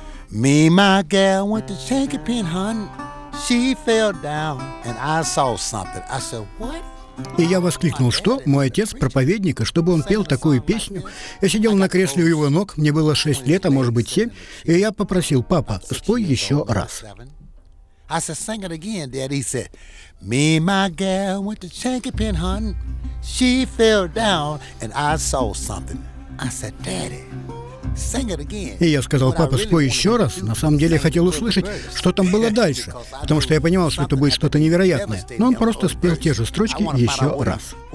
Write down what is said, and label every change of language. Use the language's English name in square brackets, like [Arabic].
[English] Me and my girl went to Chanky Pen, hon. She fell down, and I saw something. I said, what? [Russian] И я воскликнул: что? Мой отец проповедник, и чтобы он пел такую песню? Я сидел на кресле у его ног, мне было 6 лет, а может быть 7, и я попросил: папа, спой еще раз. [English] I said, sing it again, daddy. He said, me and my girl went to Chanky Pen, hun. She fell down, and I saw something. I said, daddy. [Russian] И я сказал: папа, спой еще раз. На самом деле я хотел услышать, что там было дальше, потому что я понимал, что это будет что-то невероятное. Но он просто спел те же строчки еще раз.